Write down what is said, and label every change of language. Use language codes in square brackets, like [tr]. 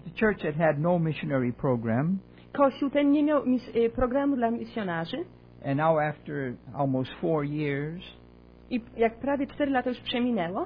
[en] The church had had no missionary program. [pl] Kościół ten nie miał programu dla misjonarzy. [en] And now after almost four years, [pl] i jak prawie 4 lata już przeminęło,